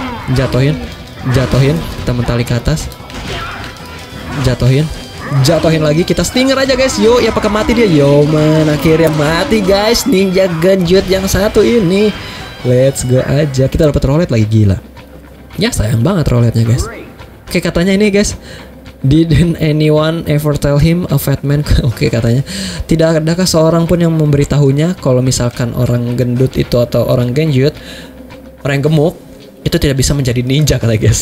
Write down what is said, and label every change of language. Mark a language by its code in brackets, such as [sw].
[id] Jatuhin, kita mentalin ke atas. Jatuhin lagi, kita stinger aja guys. Yo, ya apakah mati dia? [en] Yo man, [id] akhirnya mati guys. Ninja genjut yang satu ini. [en] Let's go [id] aja. Kita dapat rolet lagi, gila. Ya, sayang banget roletnya guys. Oke, katanya ini guys, [en] didn't anyone ever tell him a fat man? [id] Oke, okay, katanya. Tidak adakah seorang pun yang memberitahunya kalau misalkan orang gendut itu atau orang genjut, orang yang gemuk itu tidak bisa menjadi ninja, kata guys.